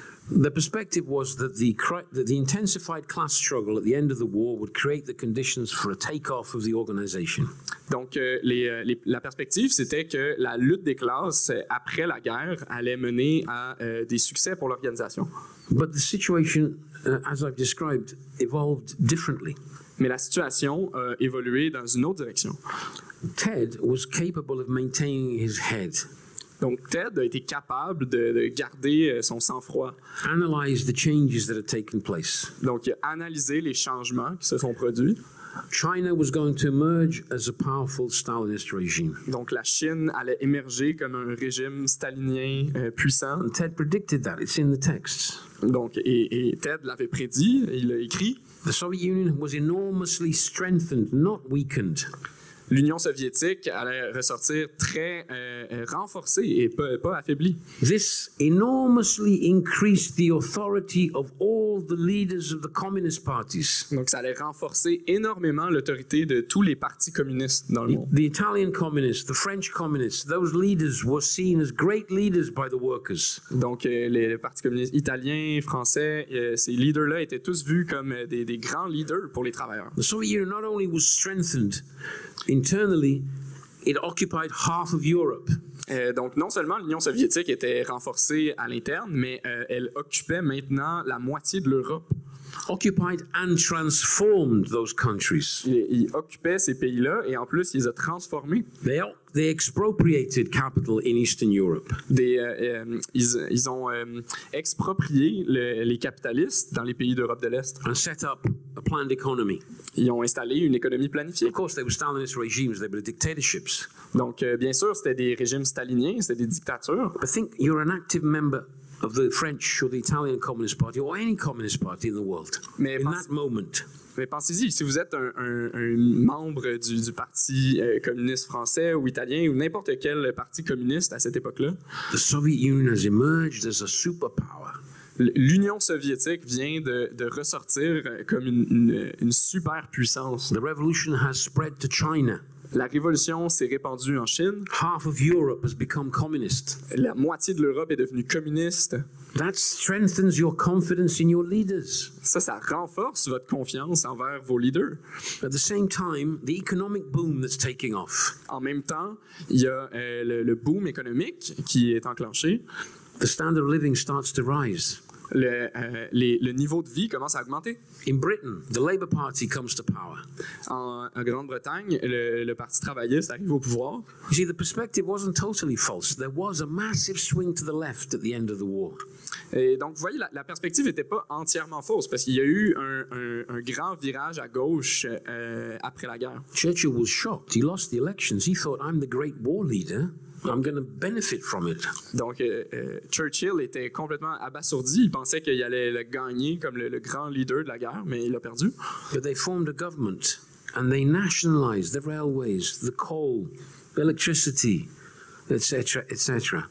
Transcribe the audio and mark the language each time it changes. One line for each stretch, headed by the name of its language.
English: The perspective was that the intensified class struggle at the end of the war would create the conditions for a takeoff of the organization.
French: Donc la perspective c'était que la lutte des classes après la guerre allait mener à des succès pour l'organisation.
English: But the situation as I've described evolved differently.
French: Mais la situation a évolué dans une autre direction.
English: Ted was capable of maintaining his head.
French: Donc Ted a été capable de garder son sang-froid.
English: Analyze the changes that had taken place.
French: Donc il a analysé les changements qui se sont produits.
English: China was going to emerge as a powerful Stalinist regime.
French: Donc la Chine allait émerger comme un régime stalinien puissant.
English: And Ted predicted that. It's in the texts.
French: Donc et Ted l'avait prédit, il l'a écrit.
English: The Soviet Union was enormously strengthened, not weakened.
French: L'Union soviétique allait ressortir très renforcée et pas affaiblie.
English: This enormously increased the authority of all the leaders of the communist parties.
French: Donc ça allait renforcer énormément l'autorité de tous les partis communistes dans le monde.
English: The Italian communists, the French communists, those leaders were seen as great leaders by the workers.
French: Donc les partis communistes italiens, français, ces leaders-là étaient tous vus comme des grands leaders pour les travailleurs.
English: The Soviet Union not only was strengthened internally, it occupied half of Europe.
French: Donc, non seulement l'Union soviétique était renforcée à l'interne, mais elle occupait maintenant la moitié de l'Europe.
English: Occupied and transformed those countries.
French: Il occupait ces pays-là et en plus, il les a transformés.
English: They expropriated capital in Eastern Europe.
French: Ils ont exproprié les capitalistes dans les pays d'Europe de l'Est.
English: And set up a planned economy.
French: Ils ont installé une économie planifiée.
English: Of course, they were Stalinist regimes, they were dictatorships.
French: Donc, bien sûr, c'était des régimes staliniens, c'était des dictatures.
English: But think you're an active member of the French or the Italian Communist Party or any Communist Party in the world.
French: Mais
English: in that moment.
French: Mais pensez-y, si vous êtes un membre du parti communiste français ou italien ou n'importe quel parti communiste à cette époque-là.
English: The Soviet Union has emerged as a superpower.
French: L'Union soviétique vient de ressortir comme une superpuissance.
English: The revolution has spread to China.
French: La révolution s'est répandue en Chine.
English: Half of Europe has become communist.
French: La moitié de l'Europe est devenue communiste.
English: That strengthens your confidence in your leaders.
French: Ça renforce votre confiance envers vos leaders.
English: At the same time, the economic boom that's taking off.
French: En même temps, il y a le boom économique qui est enclenché.
English: The standard of living starts to rise.
French: Le niveau de vie commence à augmenter.
English: In Britain, the Labour Party comes to power.
French: En Grande-Bretagne, le Parti travailliste arrive au pouvoir.
English: You see, the perspective wasn't totally false. There was a massive swing to the left at the end of the war.
French: Et donc, vous voyez, la perspective n'était pas entièrement fausse parce qu'il y a eu un grand virage à gauche après la guerre.
English: Churchill was shocked. He lost the elections. He thought, I'm the great war leader. I'm going to benefit from it.
French: Donc Churchill était complètement abasourdi, il pensait qu'il allait le gagner comme le grand leader de la guerre, mais il a perdu.
English: But they formed a government and they nationalized the railways, the coal, electricity, etc., etc.